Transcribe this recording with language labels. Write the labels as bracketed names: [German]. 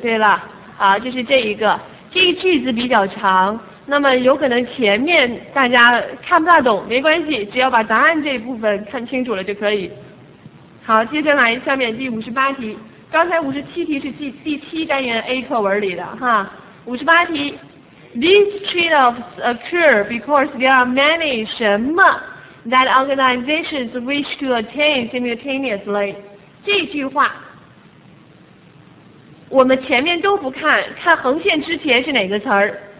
[Chinese] 对了，就是这一个。这个句子比较长。那么有可能前面大家看不大懂，没关系，只要把答案这一部分看清楚了就可以。好，接下来下面第58题，刚才57题是第七单元 A 课文里的哈。 [English] 58题， These trade-offs occur because there are many [Chinese] 什么 [English] that organizations wish to attain simultaneously。 [Chinese] 这句话我们前面都不看，看横线之前是哪个词儿？